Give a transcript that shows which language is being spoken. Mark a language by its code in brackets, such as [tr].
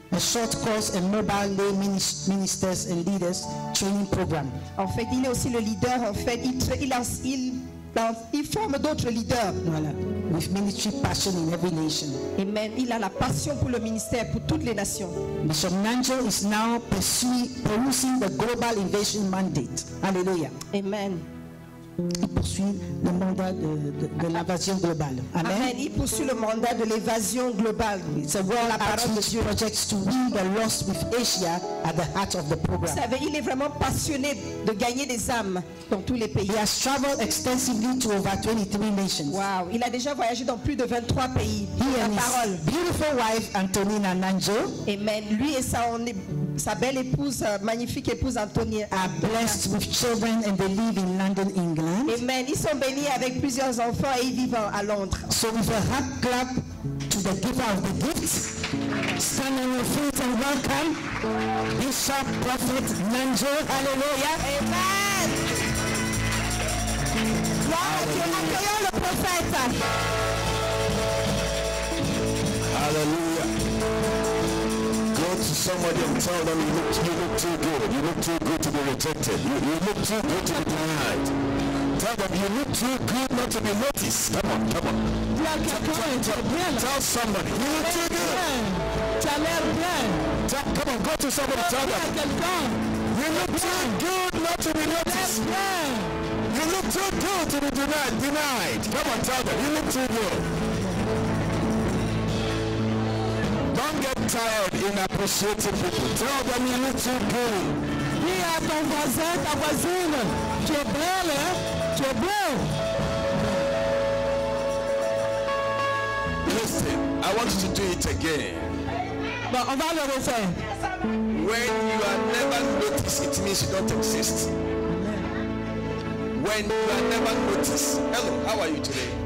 [en] A short course in mobile lay ministers and leaders training program. [fr] En fait, il est aussi le leader. En fait, il forme d'autres leaders. [en] Voilà. With ministry passion in every nation. [fr] Et même, il a la passion pour le ministère pour toutes les nations. [en] Bishop NANJO is now pursuing the global invasion mandate. Hallelujah. Amen. [fr] Il poursuit le mandat de l'invasion globale. Amen. Amen. Il poursuit le mandat de l'évasion globale. [en] It's a world outreach [fr] de Dieu. [en] Projects to win the lost with Asia at the heart of the program. [fr] Vous savez, il est vraiment passionné de gagner des âmes dans tous les pays. [en] He has traveled extensively to over 23 nations. Wow. [fr] Il a déjà voyagé dans plus de 23 pays. [en] His beautiful wife Antonina NANJO. Amen. [fr] Lui et sa belle épouse, magnifique épouse Antonia, [en] are blessed with children and they live in London, England. Amen. [fr] Ils sont bénis avec plusieurs enfants et ils vivent à Londres. [en] So with a hot clap to the giver of the gifts, stand on your feet and welcome Bishop Prophet NANJO. Hallelujah. [fr] Amen. Accueillons le prophète. Hallelujah. [en] To somebody and tell them you look too good. You look too good to be rejected. You look too good to be denied. Tell them you look too good not to be noticed. Come on. Tell somebody you look too good. Come on, go to somebody. Tell them you look too good not to be noticed. You look too good to be denied. Come on, tell them you look too good. Don't get tired in appreciating people. Tell them you look too good. [fr] Dis à ton voisin, ta voisine, tu es belle, hein? Tu es beau. [en] Listen, I want you to do it again. [fr] Bon, on va le refaire. [en] When you are never noticed, it means you don't exist. When you are never noticed. Hello, how are you today?